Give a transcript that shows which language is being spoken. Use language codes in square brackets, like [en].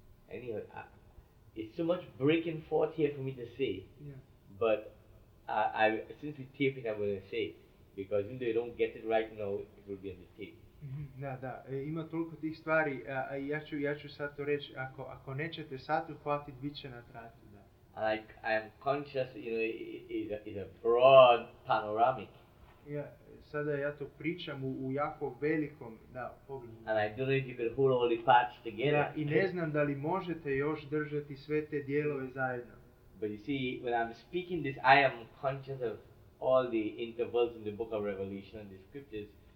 [en] Anyway, it's so much breaking forth here for me to say, yeah. But I since we tape it, I'm going to say it, because even though you don't get it right now, it will be on the tape. [hr] Da, da, ima toliko tih stvari, ja ću sad to reći, ako nećete sad uhvatiti, bit će na traci, da. [en] I am conscious, you know, it's a broad panoramic. [hr] Ja, sada ja to pričam u jako velikom, da, pogledu. [en] And I don't know if you can hold all the parts together. [hr] Da, i ne znam da li možete još držati sve te dijelove zajedno. [en] But you see, when I'm speaking this, I am conscious of all the intervals in the book of Revelation and the scriptures.